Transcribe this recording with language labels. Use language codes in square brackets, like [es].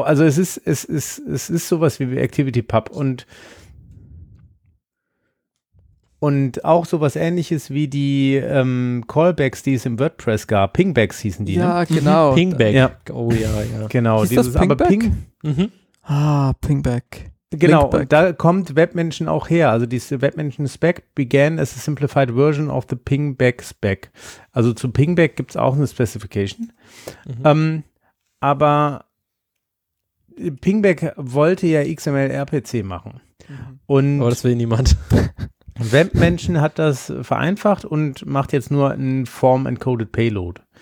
[de] Also es ist sowas wie ActivityPub und auch sowas Ähnliches wie die Callbacks, die es im WordPress gab. Pingbacks hießen die, ja, ne? Ja, genau. Pingback. Ja. Oh ja, ja. Genau. Ist das Pingback? Aber Ping. Ah, Pingback. Genau, und da kommt Webmention auch her. Also diese [en] Webmention Spec began as a simplified version of the Pingback Spec. [de] Also zu Pingback gibt es auch eine Specification. Mhm. Aber Pingback wollte ja XML RPC machen. Mhm. Und aber das will niemand. Webmention hat das vereinfacht und macht jetzt nur einen Form-Encoded Payload.